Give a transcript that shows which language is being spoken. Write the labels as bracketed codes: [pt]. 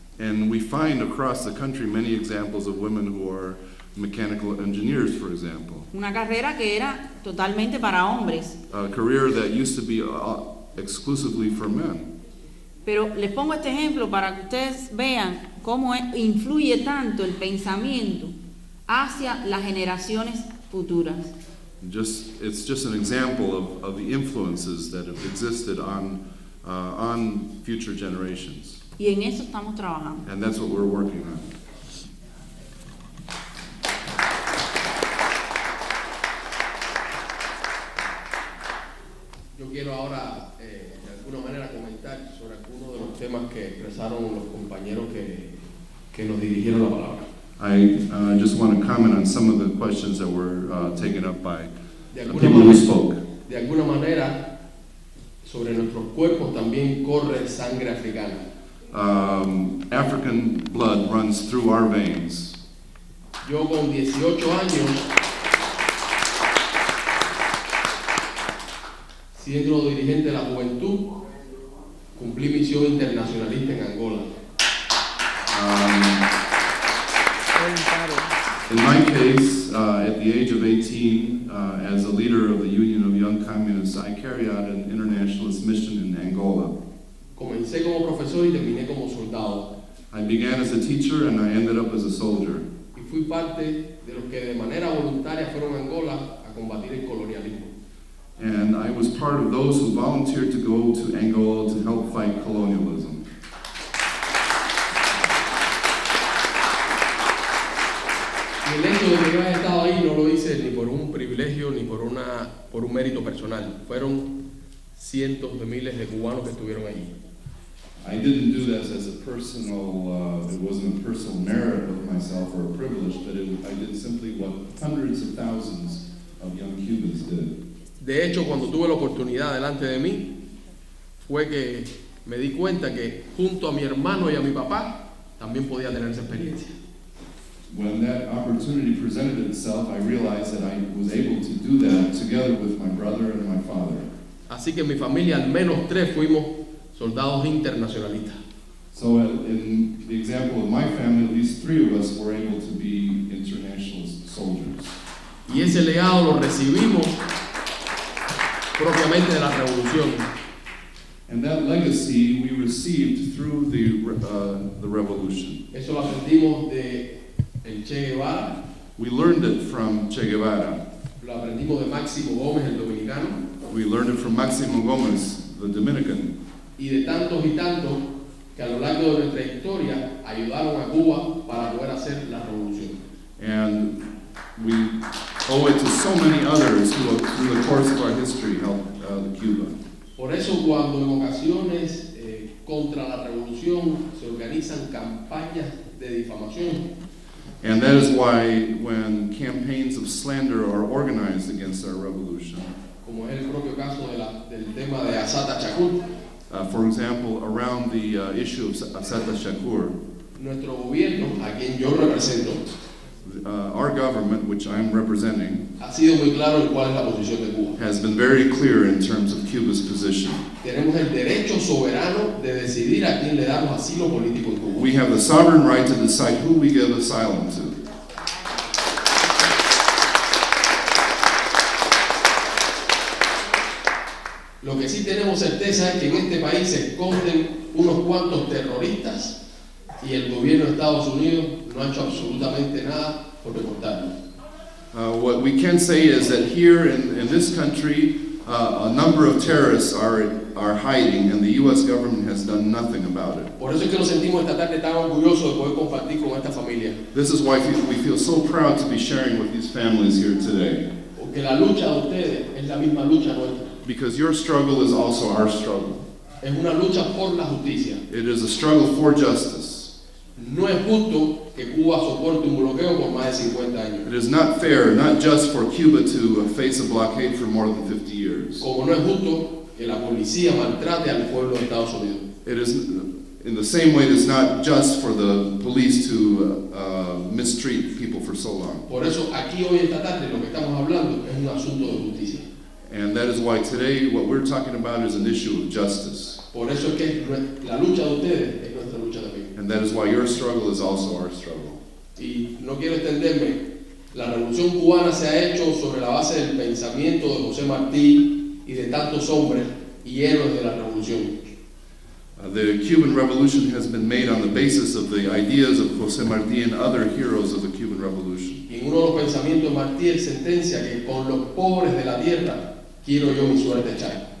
[en] And we find across the country many examples of women who are mechanical engineers, for example. [es] Una carrera que era totalmente para hombres. [en] A career that used to be exclusively for men. [es] Pero les pongo este ejemplo para que ustedes vean cómo influye tanto el pensamiento hacia las generaciones futuras. [en] It's just an example of the influences that have existed on future generations. [es] Y en eso estamos trabajando. [en] And that's what we're working on. [es] Yo quiero ahora de alguna manera comentar sobre algunos de los temas que expresaron los compañeros que nos dirigieron la palabra. [en] I just want to comment on some of the questions that were taken up by the people who spoke. [es] De alguna manera, sobre nuestros cuerpos también corre sangre africana. [en] African blood runs through our veins. [es] Yo con 18 años, siendo dirigente de la juventud, cumplí misión internacionalista en Angola. [en] In my case, at the age of 18, as a leader of the Union of Young Communists, I carry out an internationalist mission in Angola. [es] Comencé como profesor y terminé como soldado. [en] I began as a teacher and I ended up as a soldier. [es] Y fui parte de los que de manera voluntaria fueron a Angola a combatir el colonialismo. And I was part of those who volunteered to go to Angola to help fight colonialism. El hecho de que yo haya estado ahí no lo hice ni por un privilegio ni por un mérito personal. Fueron cientos de miles de cubanos que estuvieron allí. [en] I didn't do this as a personal, it wasn't a personal merit of myself or a privilege, but I did simply what hundreds of thousands of young Cubans did. [es] De hecho, cuando tuve la oportunidad delante de mí, fue que me di cuenta que junto a mi hermano y a mi papá, también podía tener esa experiencia. [en] When that opportunity presented itself, I realized that I was able to do that together with my brother and my father. [es] Así que en mi familia al menos tres fuimos soldados internacionalistas. [en] So in the example of my family, at least three of us were able to be international soldiers. [es] Y ese legado lo recibimos propiamente de la revolución. [en] And that legacy we received through the revolution. [es] Eso lo aprendimos de el Che Guevara. [en] We learned it from Che Guevara. [es] Lo aprendimos de Máximo Gómez, el dominicano. [en] We learned it from Máximo Gómez, the Dominican. [es] Y de tantos y tantos que a lo largo de nuestra historia ayudaron a Cuba para poder hacer la revolución. [en] And we owe it to so many others who, through the course of our history, helped Cuba. [es] Por eso cuando en ocasiones contra la revolución se organizan campañas de difamación. [en] And that is why when campaigns of slander are organized against our revolution. [es] Como es el propio caso del tema de Asata Shakur. [en] For example, around the issue of Asata Shakur. [es] Nuestro gobierno, a quien yo represento. [en] Our government, which I'm representing, [es] ha sido muy claro en cuál es la posición de Cuba. [en] Has been very clear in terms of Cuba's position. [es] Tenemos el derecho soberano de decidir a quién le damos asilo político en Cuba. [en] We have the sovereign right to decide who we give asylum to. [es] Lo que sí tenemos certeza es que en este país se esconden unos cuantos terroristas y el gobierno de Estados Unidos no ha hecho absolutamente nada por deportarlos. [en] What we can say is that here in this country, a number of terrorists are hiding and the U.S. government has done nothing about it. [es] Por eso es que nos sentimos esta tarde tan orgullosos de poder compartir con esta familia. [en] This is why we feel so proud to be sharing with these families here today. [es] Porque la lucha de ustedes es la misma lucha nuestra. [en] Because your struggle is also our struggle. [es] Es una lucha por la justicia. [en] It is a struggle for justice. [es] No es justo que Cuba soporte un bloqueo por más de 50 años. [en] It is not fair, not just for Cuba to face a blockade for more than 50 years. [es] Como no es justo que la policía maltrate al pueblo de Estados Unidos. [en] It is, in the same way, it is not just for the police to mistreat people for so long. [es] Por eso aquí hoy esta tarde lo que estamos hablando es un asunto de justicia. [en] And that is why today what we're talking about is an issue of justice. [es] Por eso es que la lucha de ustedes es nuestra lucha también. [en] And that is why your struggle is also our struggle. [es] Y no quiero extenderme. La revolución cubana se ha hecho sobre la base del pensamiento de José Martí y de tantos hombres y héroes de la revolución. [en] The Cuban Revolution has been made on the basis of the ideas of José Martí and other heroes of the Cuban Revolution. [es] Y uno de los pensamientos de Martí es sentencia que con los pobres de la tierra quiero yo mi suerte echar.